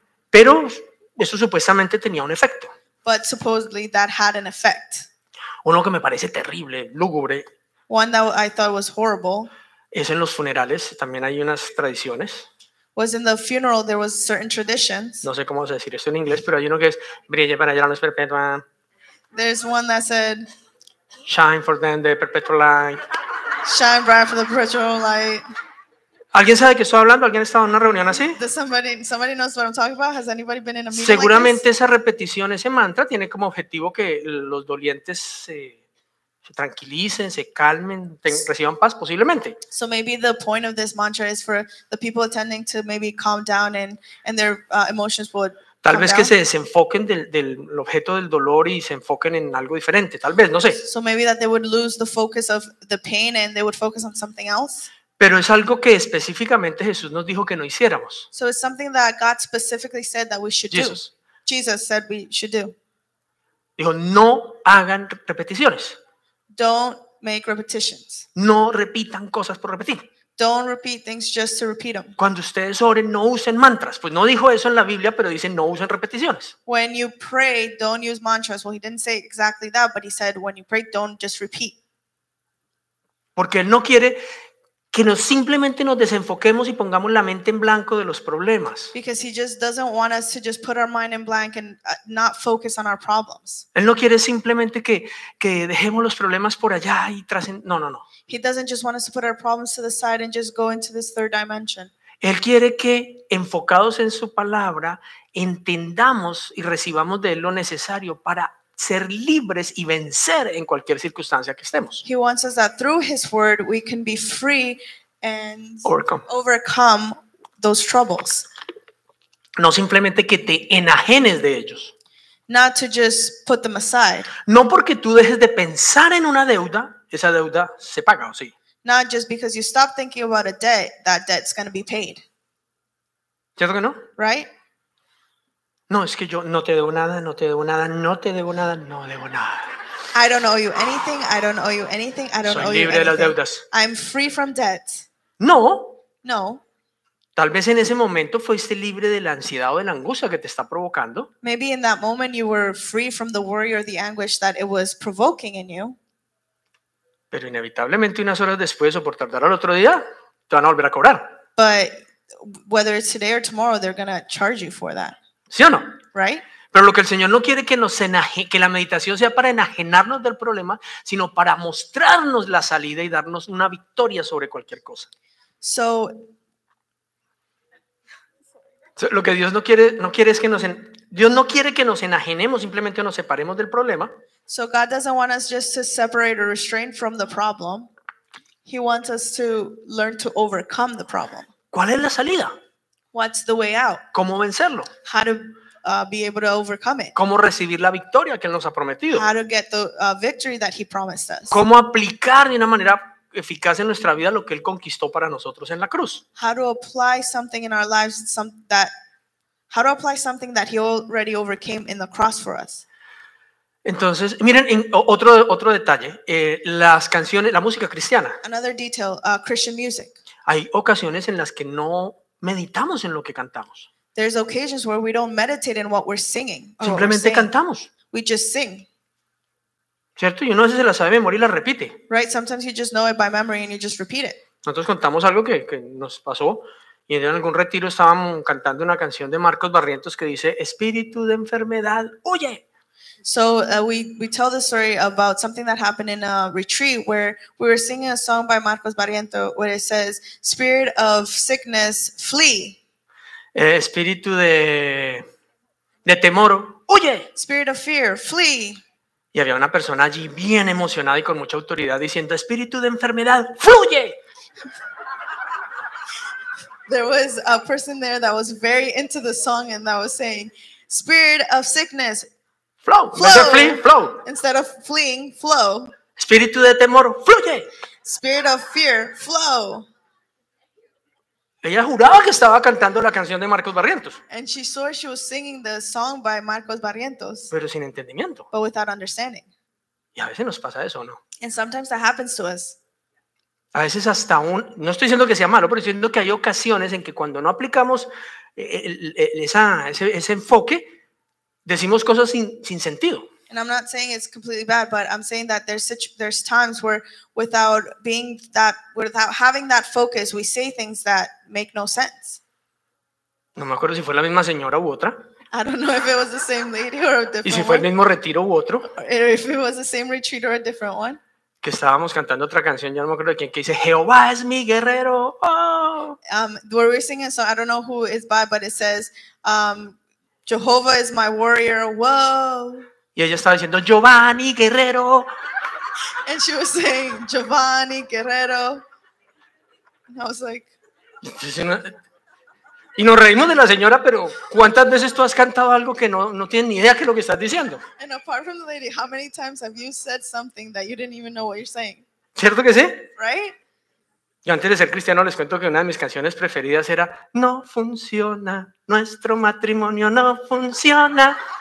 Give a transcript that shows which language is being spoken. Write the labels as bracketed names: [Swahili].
[Spanish] Pero eso supuestamente tenía un efecto. [English] But supposedly that had an effect. [Spanish] Uno que me parece terrible, lúgubre. [English] One that I thought was horrible. [Spanish] Es en los funerales, también hay unas tradiciones. [English] Was in the funeral there was certain traditions. [Spanish] No sé cómo decir esto en inglés, pero hay uno que es brille para allá la luz perpetua. [English] There's one that said shine for them the perpetual light. Shine bright for the perpetual light. [Spanish] ¿Alguien sabe de qué estoy hablando? ¿Alguien ha estado en una reunión así? [English] Does somebody knows what I'm talking about? Has anybody been in a meeting? [Spanish] Seguramente [English] like this? [Spanish] Esa repetición, ese mantra tiene como objetivo que los dolientes se tranquilicen, se calmen, reciban paz posiblemente. [English] So maybe the point of this mantra is for the people attending to maybe calm down and their emotions would [Spanish] Tal vez [English] down. [Spanish] Que se desenfoquen del objeto del dolor y se enfoquen en algo diferente, tal vez, no sé. [English] So maybe that they would lose the focus of the pain and they would focus on something else. [Spanish] Pero es algo que específicamente Jesús nos dijo que no hiciéramos. [English] So it's something that God specifically said that we should Jesus. Do. Jesus said we should do. [Spanish] Dijo, no hagan repeticiones. [English] Don't make repetitions. [Spanish] No repitan cosas por repetir. [English] Don't repeat things just to repeat them. [Spanish] Cuando ustedes oren, no usen mantras. Pues no dijo eso en la Biblia, pero dice no usen repeticiones. [English] When you pray, don't use mantras. Well, he didn't say exactly that, but he said when you pray, don't just repeat. [Spanish] Porque él no quiere que nos simplemente nos desenfoquemos y pongamos la mente en blanco de los problemas. [English] Because he just doesn't want us to just put our mind in blank and not focus on our problems. [Spanish] Él no quiere simplemente que dejemos los problemas por allá y no. [English] He doesn't just want us to put our problems to the side and just go into this third dimension. [Spanish] Él quiere que, enfocados en su palabra, entendamos y recibamos de él lo necesario para ser libres y vencer en cualquier circunstancia que estemos. [English] He wants us that through his word we can be free and overcome those troubles. [Spanish] No simplemente que te enajenes de ellos. [English] Not to just put them aside. [Spanish] No porque tú dejes de pensar en una deuda, esa deuda se paga, ¿o sí? [English] Not just because you stop thinking about a debt, that debt's going to be paid. [Spanish] ¿Cierto que no? [English] Right? [Spanish] No, es que yo no te debo nada, no te debo nada, no te debo nada, no debo nada. [English] I don't owe you anything, I don't owe you anything, I don't [Spanish] Soy [English] owe you [Spanish] libre [English] anything. [Spanish] De las deudas. [English] I'm free from debt. [Spanish] No. [English] No. [Spanish] Tal vez en ese momento fuiste libre de la ansiedad o de la angustia que te está provocando. [English] Maybe in that moment you were free from the worry or the anguish that it was provoking in you. [Spanish] Pero inevitablemente unas horas después o por tardar al otro día, te van a volver a cobrar. [English] But whether it's today or tomorrow, they're going to charge you for that. [Spanish] ¿Sí o no? [English] Right? [Spanish] Pero lo que el Señor no quiere que nos enaje, que la meditación sea para enajenarnos del problema, sino para mostrarnos la salida y darnos una victoria sobre cualquier cosa. [English] So, [Spanish] lo que Dios no quiere es que nos Dios no quiere que nos enajenemos, simplemente nos separemos del problema. [English] So God doesn't want us just to separate or restrain from the problem. He wants us to learn to overcome the problem. [Spanish] ¿Cuál es la salida? [English] What's the way out? [Spanish] ¿Cómo vencerlo? [English] How to be able to overcome it. [Spanish] ¿Cómo recibir la victoria que él nos ha prometido? [English] How to get the victory that he promised us. [Spanish] ¿Cómo aplicar de una manera eficaz en nuestra vida lo que él conquistó para nosotros en la cruz? [English] How to apply something in our lives how to apply something that he already overcame in the cross for us. [Spanish] Entonces, miren, otro detalle, las canciones, la música cristiana. [English] Another detail, Christian music. [Spanish] Hay ocasiones en las que no meditamos en lo que cantamos. [English] There's occasions where we don't meditate in what we're singing. [Spanish] Simplemente [English] we're [Spanish] cantamos. [English] We just sing. [Spanish] ¿Cierto? Y uno a veces se la sabe de memoria y la repite. [English] Right, sometimes you just know it by memory and you just repeat it. [Spanish] Nosotros contamos algo que nos pasó y en algún retiro estábamos cantando una canción de Marcos Barrientos que dice Espíritu de enfermedad, huye. [English] So we tell the story about something that happened in a retreat where we were singing a song by Marcos Barrientos where it says Spirit of sickness, flee. [Spanish] Espíritu de temor, huye. [English] Spirit of fear, flee. [Spanish] Y había una persona allí bien emocionada y con mucha autoridad diciendo Espíritu de enfermedad, fluye. [English] There was a person there that was very into the song and that was saying Spirit of sickness, flow. Flow. Instead of fleeing, flow. Instead of fleeing, flow. [Spanish] Espíritu de temor, fluye. [English] Spirit of fear, flow. [Spanish] Ella juraba que estaba cantando la canción de Marcos Barrientos. [English] And she swore she was singing the song by Marcos Barrientos. [Spanish] Pero sin entendimiento. [English] But without understanding. [Spanish] Y a veces nos pasa eso, ¿no? [English] And sometimes that happens to us. [Spanish] A veces hasta no estoy diciendo que sea malo, pero estoy diciendo que hay ocasiones en que cuando no aplicamos ese enfoque, decimos cosas sin sentido. [English] And I'm not saying it's completely bad, but I'm saying that there's times where without having that focus, we say things that make no sense. [Spanish] No me acuerdo si fue la misma señora u otra. [English] I don't know if it was the same lady or a different one. [Spanish] Y si fue el mismo retiro u otro. [English] Or if it was the same retreat or a different one. [Spanish] Que estábamos cantando otra canción, ya no me acuerdo de quién, que dice Jehová es mi guerrero. [English] Oh. We're singing, so I don't know who it's by, but it says Jehovah is my warrior. Whoa. [Spanish] Y ella estaba diciendo Giovanni Guerrero. [English] And she was saying Giovanni Guerrero. And I was like. [Spanish] Y nos reímos de la señora, pero ¿cuántas veces tú has cantado algo que no tienes ni idea qué es lo que estás diciendo? [English] And apart from the lady, how many times have you said something that you didn't even know what you're saying? [Spanish] ¿Cierto que sí? [English] Right? [Spanish] Yo antes de ser cristiano les cuento que una de mis canciones preferidas era No funciona, nuestro matrimonio no funciona.